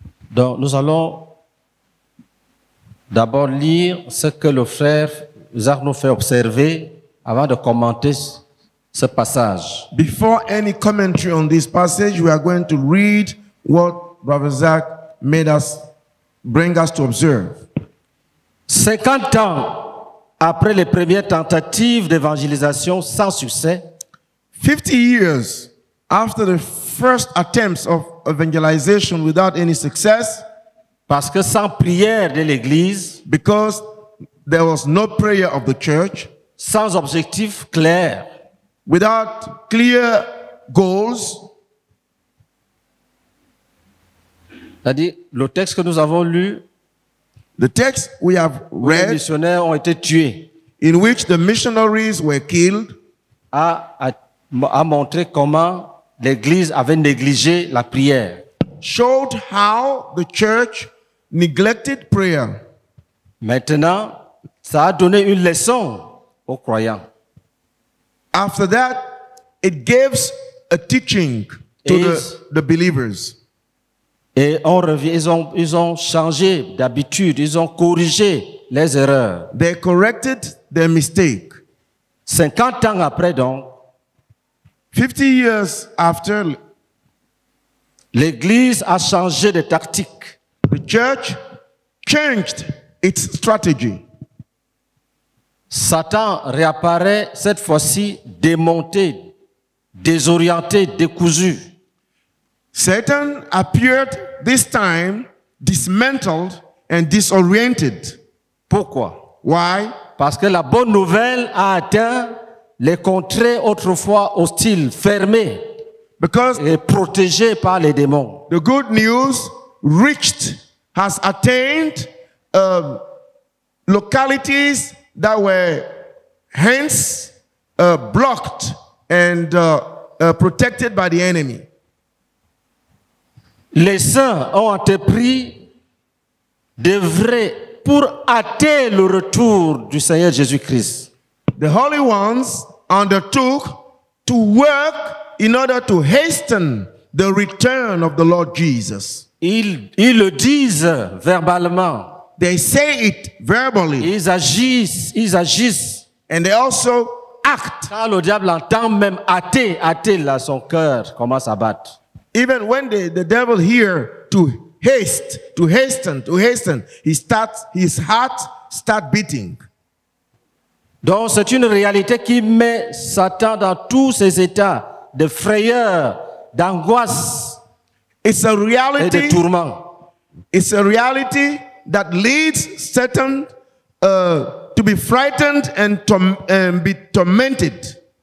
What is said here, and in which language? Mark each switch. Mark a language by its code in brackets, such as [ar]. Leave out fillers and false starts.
[fr] Donc, nous allons d'abord lire ce que le frère Zach nous fait observer avant de commenter ce passage. [en] Before any commentary on this passage, we are going to read what Brother Zach made us bring us to observe. [fr] 50 ans après les premières tentatives d'évangélisation sans succès, [en] 50 years after the first attempts of evangelization without any success, [fr] parce que sans prière de l'église, [en] because There was no prayer of the church. [fr] Sans objectif clair. [en] Without clear goals. [fr] C'est-à-dire, le texte que nous avons lu, [en] the text we have read, [fr] les missionnaires ont été tués, [en] in which the missionaries were killed, [fr] a montré comment l'Église avait négligé la prière. [en] Showed how the church neglected prayer. [fr] Maintenant, ça a donné une leçon aux croyants. [en] After that, it gives a teaching to the believers. [fr] Et on revient, ils ont changé d'habitude, ils ont corrigé les erreurs. [en] They corrected their mistake. [fr] 50 ans après donc, [en] 50 years after, [fr] l'Église a changé de tactique. [en] The church changed its strategy. [fr] Satan réapparaît cette fois-ci démonté, désorienté, décousu. [en] Satan appeared this time dismantled and disoriented. [fr] Pourquoi? [en] Why? [fr] Parce que la bonne nouvelle a atteint les contrées autrefois hostiles, fermées, [en] because [fr] et protégées par les démons. [en] The good news reached, has attained localities that were hence blocked and protected by the enemy. [fr] Les saints ont entrepris de vrai pour hâter le retour du Seigneur Jésus-Christ. [en] The holy ones undertook to work in order to hasten the return of the Lord Jesus. [fr] Ils le disent verbalement. [en] They say it verbally. [fr] Ils agissent. [en] And they also act. [fr] Quand le diable entend même hâter là, son cœur commence à battre. [en] Even when the devil hears to hasten, his heart starts beating. [fr] Donc c'est une réalité qui met Satan dans tous ses états de frayeur, d'angoisse. [en] It's a reality. [fr] Et de tourment. [en] It's a reality that leads Satan to be frightened and be tormented.